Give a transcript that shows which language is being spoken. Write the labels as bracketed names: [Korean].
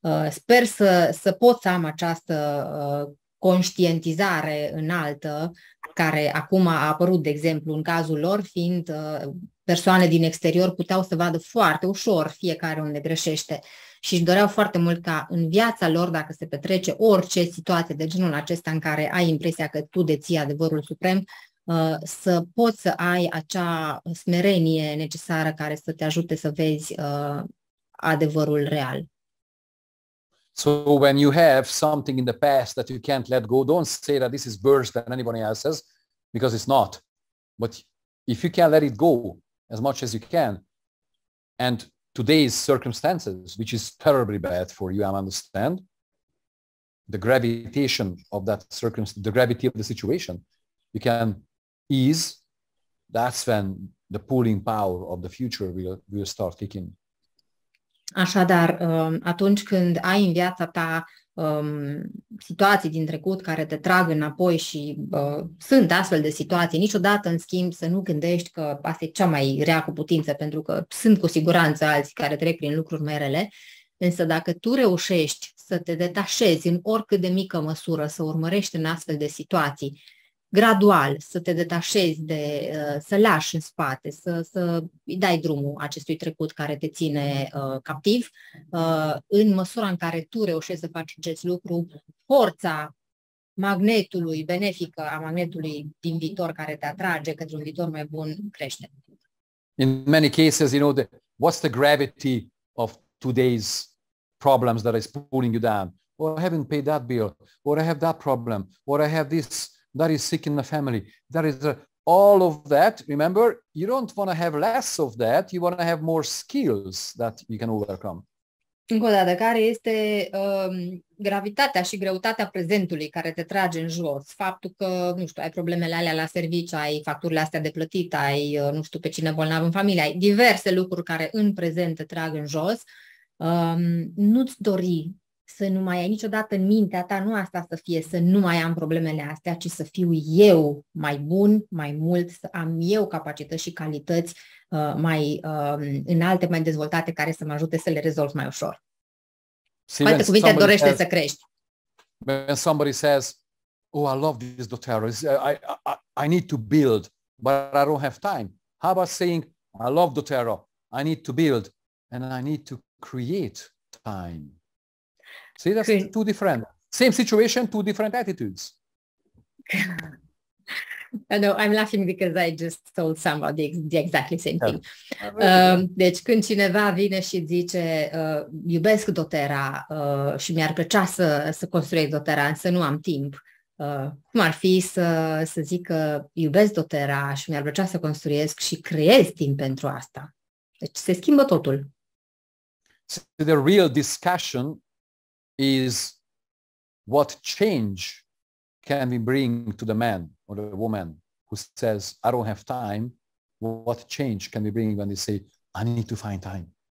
[Romanian] Sper să pot să am această conștientizare înaltă, care acum a apărut, de exemplu, în cazul lor, fiind persoane din exterior, puteau să vadă foarte ușor fiecare unde greșește și își doreau foarte mult ca în viața lor, dacă se petrece orice situație de genul acesta în care ai impresia că tu deții adevărul suprem, să poți să ai acea smerenie necesară care să te ajute să vezi adevărul real. [English] So when you have something in the past that you can't let go, don't say that this is worse than anybody else's, because it's not. But if you can let it go as much as you can, and today's circumstances, which is terribly bad for you, I understand, the gravitation of that circumstance, the gravity of the situation, you can ease, that's when the pulling power of the future will start kicking. [Romanian] Așadar, atunci când ai în viața ta situații din trecut care te trag înapoi și sunt astfel de situații, niciodată, în schimb, să nu gândești că asta e cea mai rea cu putință, pentru că sunt cu siguranță alții care trec prin lucruri mai rele, însă dacă tu reușești să te detașezi în oricât de mică măsură, să urmărești în astfel de situații, gradual, să te detașezi de, să lași în spate, să îi dai drumul acestui trecut care te ține captiv, în măsura în care tu reușești să faci acest lucru, forța magnetului benefic, a magnetului din viitor care te atrage către un viitor mai bun, crește. [English] In many cases, you know, what's the gravity of today's problems that is pulling you down? Or I haven't paid that bill, or I have that problem, or I have this. That is sick in the family. That is all of that. Remember, you don't want to have less of that. You want to have more skills that you can overcome. [Romanian] Încă o dată, care este gravitatea și greutatea prezentului care te trage în jos? Faptul că, nu știu, ai problemele alea la serviciu, ai facturile astea de plătit, ai, nu știu, pe cine bolnav în familie, ai diverse lucruri care în prezent te trag în jos. Nu-ți dori să nu mai ai niciodată în mintea ta, nu asta să fie, să nu mai am problemele astea, ci să fiu eu mai bun, mai mult, să am eu capacități și calități mai înalte, mai dezvoltate, care să mă ajute să le rezolv mai ușor. Cu alte cuvinte, dorește să crești. [English] When somebody says, oh, I love this doTERRA, I need to build, but I don't have time. How about saying, I love doTERRA, I need to build, and I need to create time. See, that's two different, same situation, two different attitudes. I know, I'm laughing because I just told somebody the exactly same thing. [Romanian] Deci când cineva vine și zice, iubesc doTERRA și mi-ar plăcea să construiesc doTERRA, însă nu am timp, cum ar fi să zic că iubesc doTERRA și mi-ar plăcea să construiesc și creez timp pentru asta? Deci se schimbă totul. [English] So the real discussion is what change can we bring to the man or the woman who says, I don't have time. What change can we bring when they say, I need to find time?